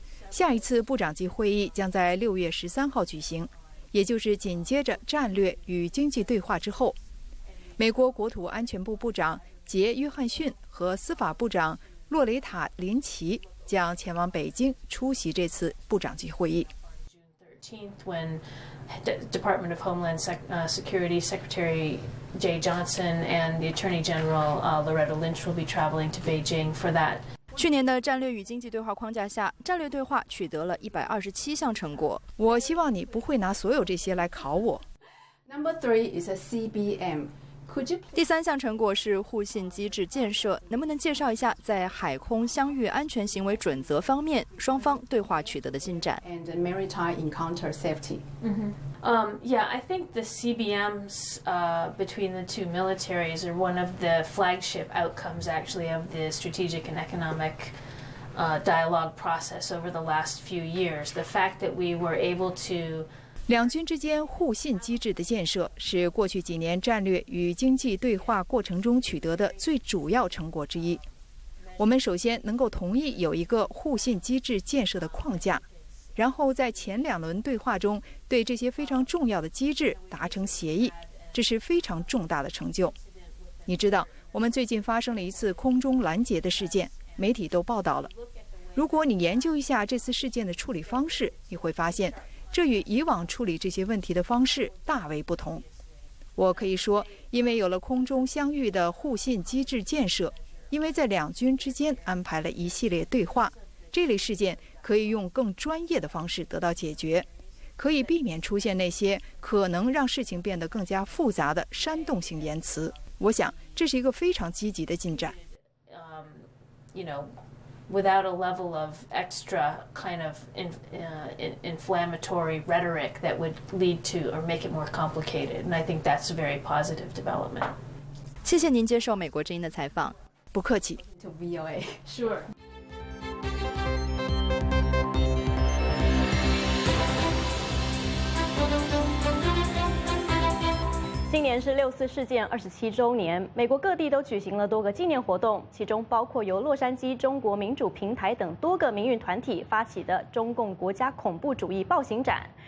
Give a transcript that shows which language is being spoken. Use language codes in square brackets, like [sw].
[zh] 下一次部长级会议将在6月13号举行，也就是紧接着战略与经济对话之后。美国国土安全部部长杰·约翰逊和司法部长洛雷塔·林奇将前往北京出席这次部长级会议。 [en] When Department of Homeland Security Secretary Jay Johnson and the Attorney General Loretta Lynch will be traveling to Beijing for that. [zh] 去年的战略与经济对话框架下，战略对话取得了127项成果。我希望你不会拿所有这些来考我。 [en] Number three is a CBM. Could you? [zh] 第三项成果是互信机制建设，能不能介绍一下在海空相遇安全行为准则方面双方对话取得的进展 [en] ？And maritime encounter safety. I think the CBMs between the two militaries are one of the flagship outcomes actually of the strategic and economic dialogue process over the last few years. The fact that we were able to [zh] 两军之间互信机制的建设是过去几年战略与经济对话过程中取得的最主要成果之一。我们首先能够同意有一个互信机制建设的框架，然后在前两轮对话中对这些非常重要的机制达成协议，这是非常重大的成就。你知道，我们最近发生了一次空中拦截的事件，媒体都报道了。如果你研究一下这次事件的处理方式，你会发现这与以往处理这些问题的方式大为不同。我可以说，因为有了空中相遇的互信机制建设，因为在两军之间安排了一系列对话，这类事件可以用更专业的方式得到解决，可以避免出现那些可能让事情变得更加复杂的煽动性言辞。我想这是一个非常积极的进展。 [en] Without a level of extra kind of inflammatory rhetoric that would lead to or make it more complicated. And I think that's a very positive development. [zh] 谢谢您接受美国之音的采访。不客气。 [en] To VOA. Sure. [zh] 今年是六四事件27周年，美国各地都举行了多个纪念活动，其中包括由洛杉矶中国民主平台等多个民运团体发起的中共国家恐怖主义暴行展。